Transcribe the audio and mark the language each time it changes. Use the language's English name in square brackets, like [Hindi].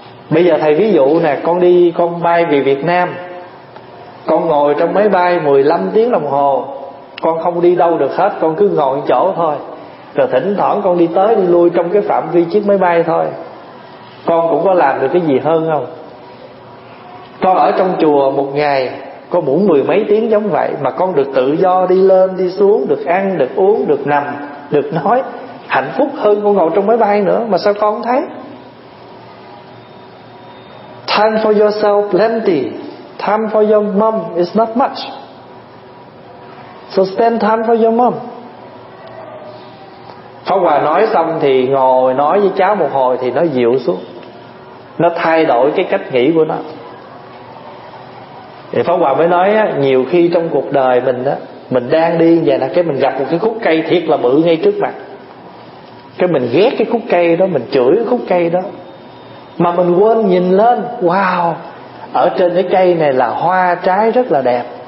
[Vietnamese] Bây giờ thầy ví dụ nè, con đi con bay về Việt Nam, con ngồi trong máy bay 15 tiếng đồng hồ, con không đi đâu được hết, con cứ ngồi chỗ thôi, rồi thỉnh thoảng con đi tới đi lui trong cái phạm vi chiếc máy bay thôi, con cũng có làm được cái gì hơn không? Con ở trong chùa một ngày con muốn mười mấy tiếng giống vậy, mà con được tự do đi lên đi xuống, được ăn được uống được nằm được nói, hạnh phúc hơn con ngồi trong máy bay nữa, mà sao con không thấy? [English] Time for yourself plenty, time for your mom is not much, so spend time for your mom. [Vietnamese] Pháp Hòa nói xong thì ngồi nói với cháu một hồi thì nó dịu xuống, nó thay đổi cái cách nghĩ của nó. Thì Pháp Hòa mới nói á, nhiều khi trong cuộc đời mình á, mình đang đi vậy là cái mình gặp một cái khúc cây thiệt là bự ngay trước mặt, cái mình ghét cái khúc cây đó, mình chửi cái khúc cây đó, mà mình quên nhìn lên, wow, ở trên cái cây này là hoa trái rất là đẹp.